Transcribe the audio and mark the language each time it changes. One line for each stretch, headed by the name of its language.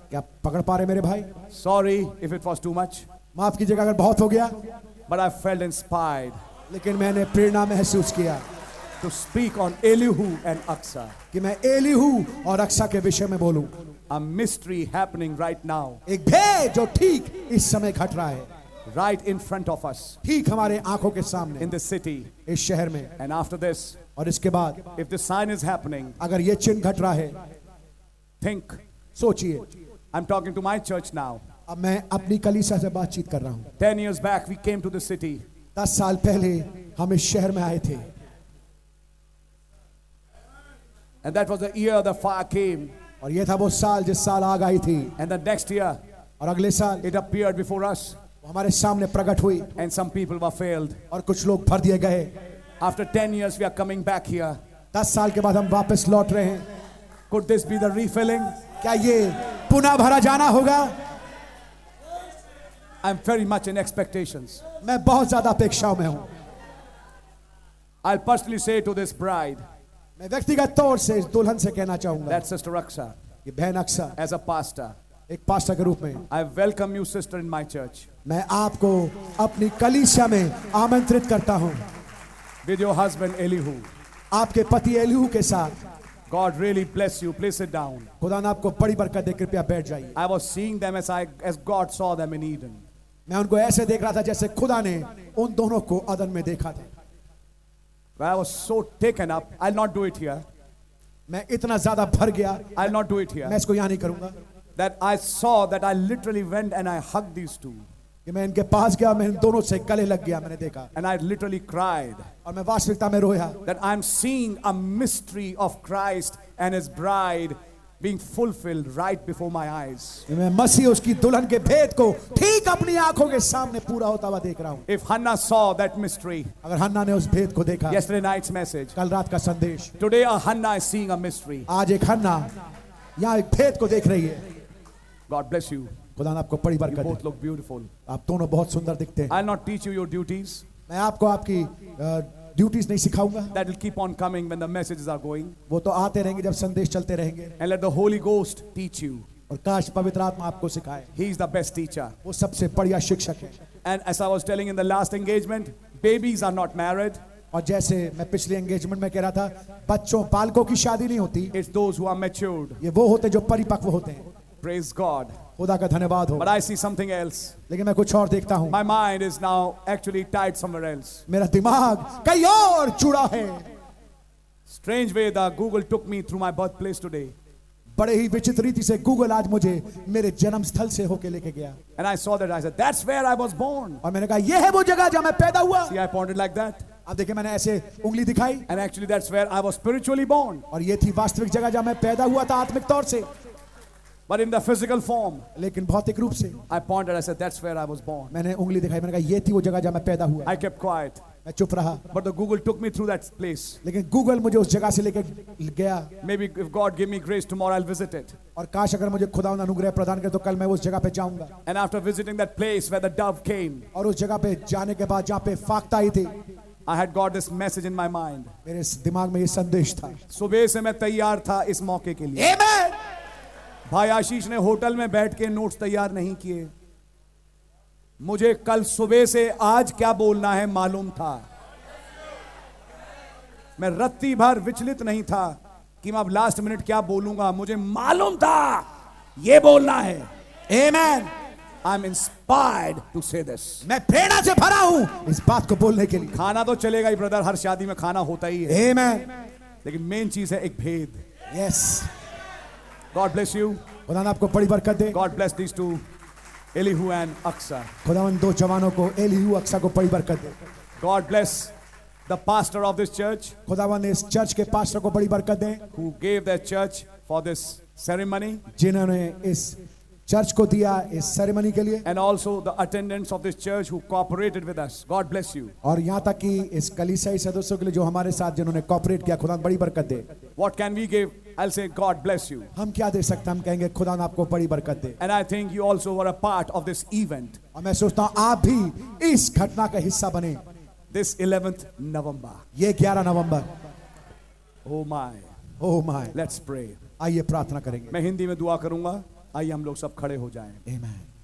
Hindi: क्या पकड़ पा रहे मेरे भाई?
English: Sorry if it was too much.
Hindi: माफ कीजिएगा अगर बहुत हो गया.
English: But I felt inspired.
Hindi: लेकिन मैंने प्रेरणा महसूस किया.
English: To speak on Elihu and अक्सर.
Hindi: कि मैं Elihu और अक्सर के विषय में बोलूं.
English: A mystery happening right now.
Hindi: एक भेद जो ठीक इस समय घट रहा है.
English: Right in front of us.
Hindi: ठीक हमारे आँखों के सामने.
English: In the city.
Hindi: इस शहर में.
English: And after this.
Hindi: और इसके बाद.
English: If the sign is happening.
Hindi: अगर ये चिन्ह घट रहा है.
English: Think.
Hindi: सोचिए.
English: I'm talking to my church now.
Hindi: अब मैं अपनी कलीसिया से बातचीत कर रहा हूँ.
English: 10 years back we came to the city.
Hindi: 10 साल पहले हम इस शहर में आए थे.
English: And that was the year the fire came.
Hindi: और ये था वो साल जिस साल आग आई थी.
English: And the next year.
Hindi: और अगले साल.
English: It appeared before us.
Hindi: हमारे सामने प्रकट हुई.
English: And some people were failed.
Hindi: और कुछ लोग भर दिए गए.
English: After 10 years we are coming back here.
Hindi: 10 साल के बाद हम वापस लौट रहे हैं.
English: Could this be the refilling?
Hindi: क्या ये पुनः भरा जाना होगा?
English: I'm very much in expectations.
Hindi: मैं बहुत ज्यादा अपेक्षाओं में हूँ.
English: I'll personally say to this bride.
Hindi: मैं व्यक्तिगत तौर से इस दुल्हन से कहना चाहूंगा.
English: That sister Aksha.
Hindi: ये बहन अक्षा.
English: As a pastor.
Hindi: एक पास्टर के रूप में.
English: I welcome you sister in my church.
Hindi: मैं आपको अपनी कलीसिया में आमंत्रित करता हूं.
English: With your husband Elihu.
Hindi: आपके पति Elihu के साथ.
English: God really bless you. Please sit down.
Hindi: खुदा ने आपको बड़ी बरकत दे. कृपया बैठ जाइए.
English: I was seeing them as God saw them in Eden.
Hindi: मैं उनको ऐसे देख रहा था जैसे खुदा ने उन दोनों को अदन में देखा था.
English: I was so taken up. I'll not do it here.
Hindi: मैं इतना ज्यादा भर गया.
English: I'll not do it here.
Hindi: मैं इसको यहां नहीं करूंगा.
English: That I saw that I literally went and I hugged these two.
Hindi: कि मैं इनके पास गया. मैं इन दोनों से गले लग गया. मैंने देखा.
English: And I literally cried.
Hindi: और मैं वास्तविकता में रोया.
English: That I'm seeing a mystery of Christ and His bride being fulfilled right before my eyes.
Hindi: मैं मसीह उसकी दुल्हन के भेद को ठीक अपनी आंखों के सामने पूरा होता हुआ देख रहा हूँ.
English: If Hannah saw that mystery.
Hindi: अगर हन्ना ने उस भेद को देखा.
English: Yesterday night's message.
Hindi: कल रात का संदेश.
English: Today a Hannah is seeing a mystery.
Hindi: आज एक हन्ना यहाँ एक भेद को देख रही है.
English: God bless you.
Hindi: खुदा ने आपको बड़ी बरकत दी.
English: You both look beautiful.
Hindi: आप दोनों बहुत सुंदर दिखते हैं.
English: I'll not teach you your duties.
Hindi: मैं आपको आपकी duties नहीं सिखाऊंगा.
English: That will keep on coming when the messages are going.
Hindi: वो तो आते रहेंगे जब संदेश चलते रहेंगे.
English: And let the Holy Ghost teach you.
Hindi: और काश पवित्र आत्मा आपको सिखाए.
English: He is the best teacher.
Hindi: वो सबसे बढ़िया शिक्षक है.
English: And as I was telling in the last engagement, babies are not married.
Hindi: और जैसे मैं पिछले एंगेजमेंट में कह रहा था, बच्चों पालकों की शादी नहीं होती.
English: It's those who are matured.
Hindi: ये वो होते जो परिपक्व होते हैं.
English: Praise God.
Hindi: खुदा का धन्यवाद हो.
English: But I see something else.
Hindi: लेकिन मैं कुछ और देखता हूँ.
English: My mind is now actually tied somewhere else.
Hindi: मेरा दिमाग कहीं और जुड़ा है.
English: Strange way the Google took me through my birthplace today.
Hindi: बड़े ही विचित्र रीति से Google आज मुझे मेरे जन्म स्थल से होके लेके गया.
English: And I saw that I said that's where I was born.
Hindi: और मैंने कहा ये है वो जगह जहाँ मैं पैदा हुआ.
English: See I pointed like that.
Hindi: आप देखिए मैंने ऐसे उंगली दिखाई.
English: And actually that's where I was spiritually born.
Hindi: और ये थी वास्तविक जगह जहाँ मैं पैदा हुआ था आत्मिक तौर से.
English: But in the physical form,
Hindi: लेकिन भौतिक रूप से,
English: I pointed. I said, "That's where I was born."
Hindi: मैंने उंगली दिखाई. मैंने कहा, ये थी वो जगह जहाँ मैं पैदा हुआ.
English: I kept quiet.
Hindi: मैं चुप रहा.
English: But the Google took me through that place.
Hindi: लेकिन Google मुझे उस जगह से लेके गया.
English: Maybe if God give me grace tomorrow, I'll visit it.
Hindi: और काश अगर मुझे खुदा अनुग्रह प्रदान करे तो कल मैं उस जगह पे जाऊंगा.
English: And after visiting that place where the dove came,
Hindi: और उस जगह पे जाने के बाद जहाँ पे फाख्ता आई थी.
English: I had got this message in my mind.
Hindi: मेरे दिमाग में ये संदेश था. सुबह से मैं तैयार था इस मौके के लिए.
English: Amen.
Hindi: भाई आशीष ने होटल में बैठ के नोट्स तैयार नहीं किए. मुझे कल सुबह से आज क्या बोलना है मालूम था. मैं रत्ती भर विचलित नहीं था कि मैं अब लास्ट मिनट क्या बोलूंगा. मुझे मालूम था ये बोलना है. आमेन.
English: I'm inspired to say this.
Hindi: मैं प्रेरणा से भरा हूँ इस बात को बोलने के लिए. खाना तो चलेगा ही ब्रदर, हर शादी में खाना होता ही है.
English: Amen.
Hindi: लेकिन मेन चीज है एक भेद.
English: Yes. God bless you.
Hindi: खुदा आपको बड़ी बरकत दे.
English: God bless these two, Elihu and Aksa.
Hindi: खुदा उन दो जवानों को, Elihu Aksa को बड़ी बरकत दे.
English: God bless the pastor of this church.
Hindi: खुदावन इस चर्च के पास्टर को बड़ी बरकत दे.
English: Who gave their church for this ceremony?
Hindi: जिन्होंने इस चर्च को दिया इस सेरेमनी के लिए.
English: And also the attendants of this church who cooperated with us. God bless you.
Hindi: और यहाँ तक कि इस कलीसिया सदस्यों के लिए जो हमारे साथ जिन्होंने कॉपरेट किया, खुदा बड़ी बरकत दे.
English: What can we give? I'll say God bless you.
Hindi: हम क्या दे सकते हैं? हम कहेंगे खुदा आपको बड़ी बरकत दे.
English: And I think you also were a part of this event.
Hindi: और मैं सोचता हूँ आप भी इस घटना का हिस्सा बने.
English: This 11th November.
Hindi: ये 11 नवंबर.
English: Oh my. Let's pray.
Hindi: आइए प्रार्थना करेंगे. मैं हिंदी में दुआ करूंगा. आइए हम लोग सब खड़े हो जाएं.
English: Amen.